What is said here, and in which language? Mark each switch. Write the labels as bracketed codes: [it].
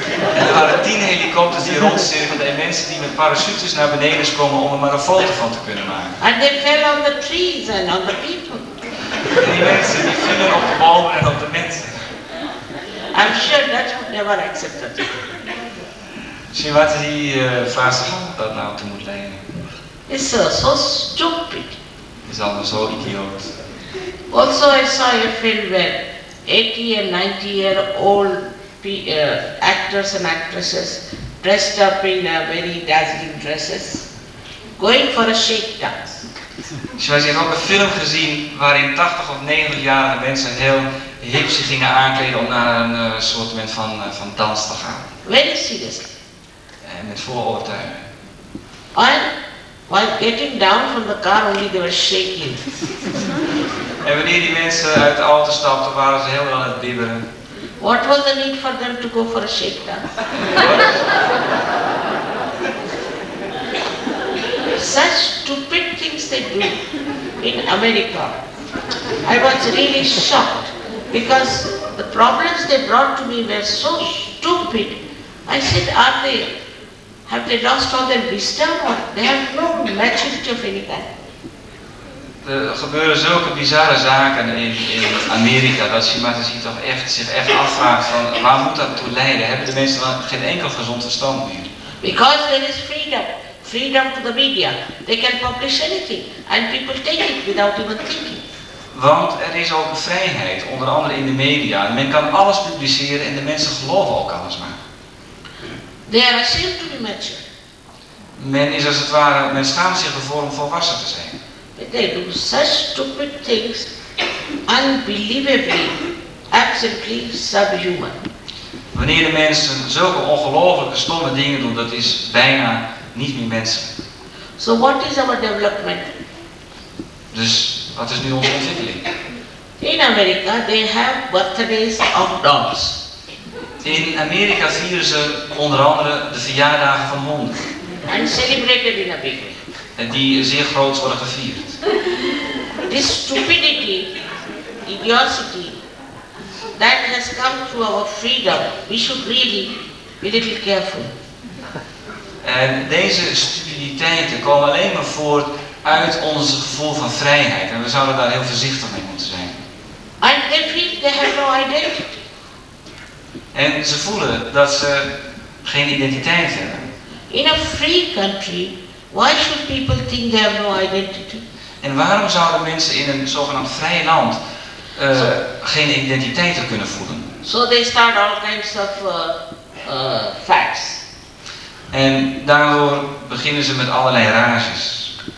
[nl] En er waren 10 helikopters die rondcirkelden en mensen die met parachutes naar beneden komen om er maar een foto van te kunnen maken. [en] And they fell on the trees and on the people. [nl] En die mensen die vielen op de bomen en op de mensen. [en] I'm sure that would never accept it. [nl] Zie wat die vaas dat nou te moet leiden. [en] It's so stupid. [nl] Is allemaal zo idioot. [en] Also I saw a film where 80 and 90 year old actors and actresses dressed up in very dazzling dresses going for a shake dance. [nl] Zoals je ook een film gezien waarin 80 of 90 jarige mensen heel hip zich gingen aankleden om naar een soort van dans te gaan. [en] Very serious. [nl] En met volle overtuiging. [en] And while getting down from the car only they were shaking. [nl] En wanneer die mensen uit de auto stapten, waren ze helemaal aan het bibberen. [en] What was the need for them to go for a shake dance? Such stupid things they do in America. I was really shocked because the problems they brought to me were so stupid. I said, have they lost all their wisdom or they have no maturity of any kind? [nl] Er gebeuren zulke bizarre zaken in Amerika dat Hr. Mataji toch echt zich echt afvraagt van waar moet dat toe leiden? Hebben de mensen dan geen enkel gezond verstand meer? [en] Because there is freedom. Freedom to the media. They can publish anything. And people take it without even thinking. [nl] Want er is ook vrijheid, onder andere in de media. Men kan alles publiceren en de mensen geloven ook alles maar. [en] They are ashamed to be mature. [nl] Men is als het ware, men schaamt zich ervoor om volwassen te zijn. [en] They do such stupid things, unbelievably, absolutely subhuman. [nl] Wanneer de mensen zulke ongelooflijke stomme dingen doen, dat is bijna niet meer menselijk. [en] So what is our development? [nl] Dus wat is nu onze ontwikkeling? [en] In America they have birthdays of dogs. [nl] In Amerika vieren ze onder andere de verjaardagen van honden. [en] And celebrated in a big way. [nl] En die zeer groot worden gevierd. [en] This stupidity, idiocy, that has come to our freedom. We should really be a little careful. [nl] En deze stupiditeiten komen alleen maar voort uit ons gevoel van vrijheid. En we zouden daar heel voorzichtig mee moeten zijn. [en] And they feel they have no identity. [nl] En ze voelen dat ze geen identiteit hebben. [en] In a free country, why should people think they have no identity? [nl] En waarom zouden mensen in een zogenaamd vrije land geen identiteit kunnen voelen? [en] So they start all kinds of facts. [nl] En daardoor beginnen ze met allerlei raarsjes.